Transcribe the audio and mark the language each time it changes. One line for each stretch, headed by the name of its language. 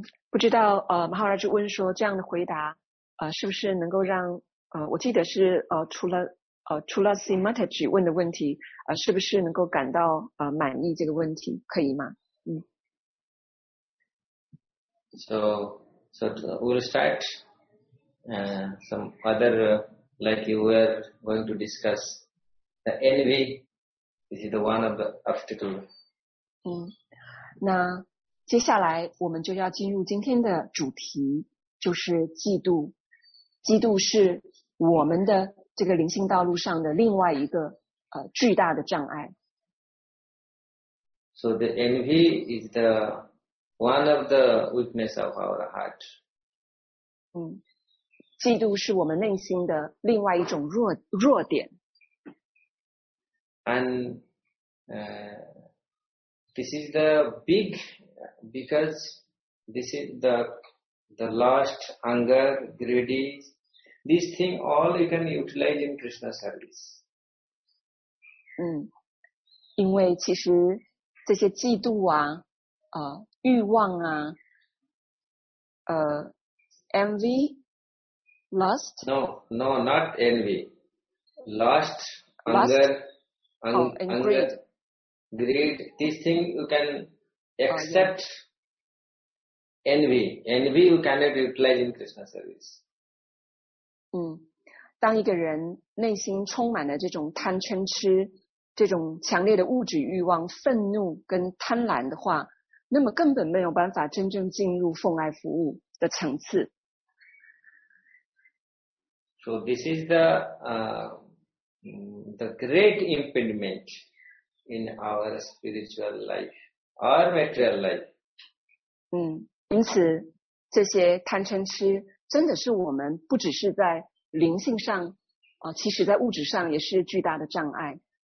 Chinese: 不知道Maharaj问说这样的回答是不是能够让我记得是除了 Sri Mataji 问的问题是不是能够感到满意这个问题可以吗
English: So we'll start some other like you were going to discuss the envy this is the one of the obstacle
Chinese: 那接下来我们就要进入今天的主题就是嫉妒嫉妒是我们的这个灵性道路上的另外一个巨大的障碍。
English: So the envy is the one of the weakness of our heart.
Chinese: 嫉妒是我们内心的另外一种弱点。
English: And this is the big, because this is the lust, anger, greed, these things all you can utilize in Krishna service.
Chinese: 因为其实这些嫉妒啊欲望啊
English: envy, lust? No, not envy. Lust, anger, greed. Greed, this thing you can accept. Envy you cannot utilize in Krishna service.
Chinese: 当一个人内心充满了这种贪嗔痴这种强烈的物质欲望愤怒跟贪婪的话那么根本没有办法真正进入奉爱服务的层次。
English: So this is the great impediment in our spiritual life, our material life.
Chinese: 因此这些贪嗔痴真的是我们不只是在灵性上其实在物质上也是巨大的障碍。